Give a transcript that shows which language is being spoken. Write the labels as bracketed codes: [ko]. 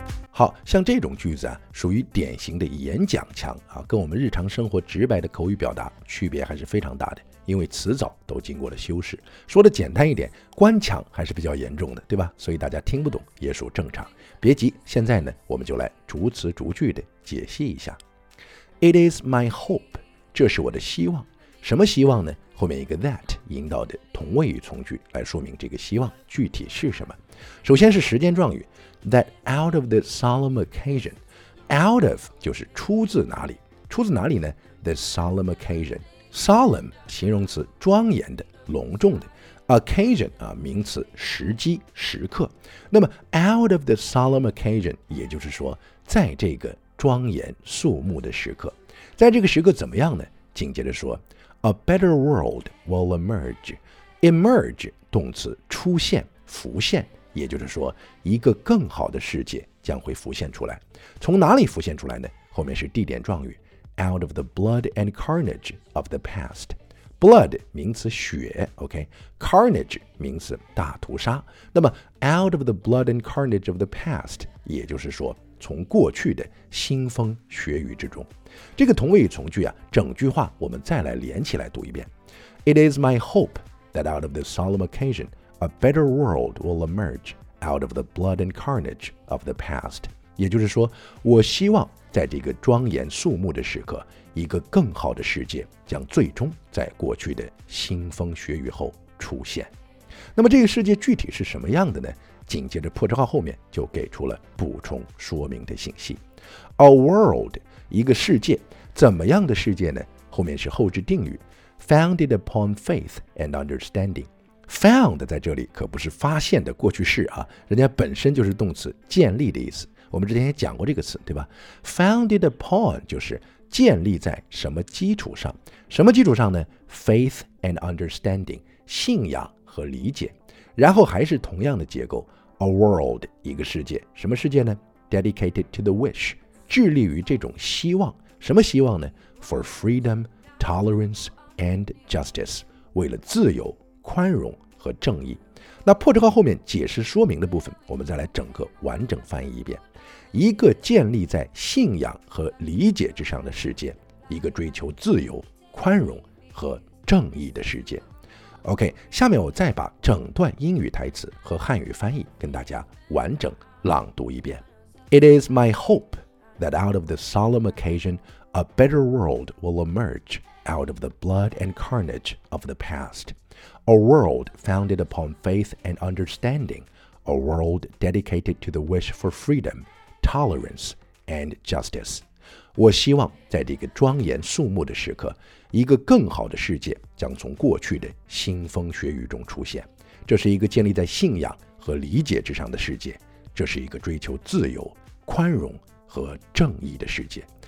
[zh] 好像这种句子啊，属于典型的演讲腔啊，跟我们日常生活直白的口语表达区别还是非常大的，因为词藻都经过了修饰。说的简单一点，官腔还是比较严重的，对吧？所以大家听不懂也属正常。别急，现在呢，我们就来逐词逐句的解析一下。 [en] It is my hope， [zh] 这是我的希望。什么希望呢？后面一个 that 引导的同位语从句来说明这个希望具体是什么。首先是时间状语 [en] that out of the solemn occasion， [zh] out of 就是出自哪里，出自哪里呢？ [en] the solemn occasion， [zh] solemn 形容词庄严的隆重的， occasion 啊名词时机时刻，那么 [en] out of the solemn occasion [zh] 也就是说在这个庄严肃穆的时刻，在这个时刻怎么样呢？紧接着说 [en] A better world will emerge. [zh] Emerge 动词出现浮现，也就是说一个更好的世界将会浮现出来。从哪里浮现出来呢？后面是地点状语 [en] out of the blood and carnage of the past. [zh] Blood 名词血 ,OK? Carnage 名词大屠杀。那么 [en] out of the blood and carnage of the past, [zh] 也就是说从过去的腥风血雨之中。这个同位语从句啊，整句话我们再来连起来读一遍。 [en] It is my hope that out of this solemn occasion, a better world will emerge out of the blood and carnage of the past. [zh] 也就是说，我希望在这个庄严肃穆的时刻，一个更好的世界将最终在过去的腥风血雨后出现。那么这个世界具体是什么样的呢？紧接着破折号后面就给出了补充说明的信息。 [en] A world [zh] 一个世界，怎么样的世界呢？后面是后置定语 [en] founded upon faith and understanding。 [zh] found 在这里可不是发现的过去式啊，人家本身就是动词建立的意思，我们之前也讲过这个词，对吧？ [en] founded upon [zh] 就是建立在什么基础上，什么基础上呢？ [en] faith and understanding， [zh] 信仰和理解。然后还是同样的结构 [en] A world [zh] 一个世界，什么世界呢？ [en] Dedicated to the wish， [zh] 致力于这种希望，什么希望呢？ [en] For freedom, tolerance and justice， [zh] 为了自由宽容和正义。那破折号后面解释说明的部分我们再来整个完整翻译一遍。一个建立在信仰和理解之上的世界，一个追求自由宽容和正义的世界。 OK， 下面我再把整段英语台词和汉语翻译跟大家完整朗读一遍。 [en] It is my hope that out of this solemn occasion, a better world will emerge out of the blood and carnage of the past. A world founded upon faith and understanding. A world dedicated to the wish for freedom, tolerance, and justice. [zh] 我希望在这个庄严肃穆的时刻，一个更好的世界将从过去的腥风血雨中出现。这是一个建立在信仰和理解之上的世界，这是一个追求自由、宽容和正义的世界。